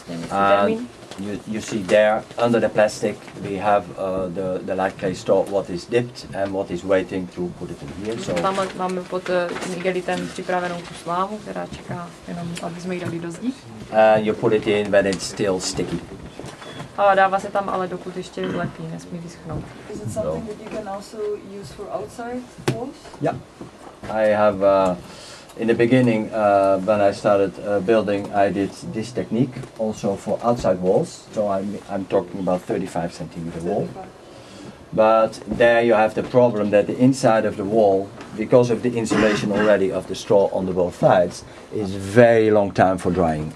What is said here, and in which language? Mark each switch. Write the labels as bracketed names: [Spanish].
[English] And you see there under the plastic we have the light clay straw. What is dipped and what is waiting to put it in here. So [Czech] máme pod tím igelitem připravenou tu slámu, která čeká jenom, aby jsme ji dali do zdi. [English] And you put it in when it's still sticky. [Czech] A dává se tam ale dokud ještě vlepí, nesmí vyschnout. [English] Is it something that you can also use for outside walls? Yeah. I have in the beginning when I started building I did this technique also for outside walls. So I'm talking about 35 centimeter wall. But there you have the problem that the inside of the wall, because of the insulation already of the straw on the both sides, is very long time for drying.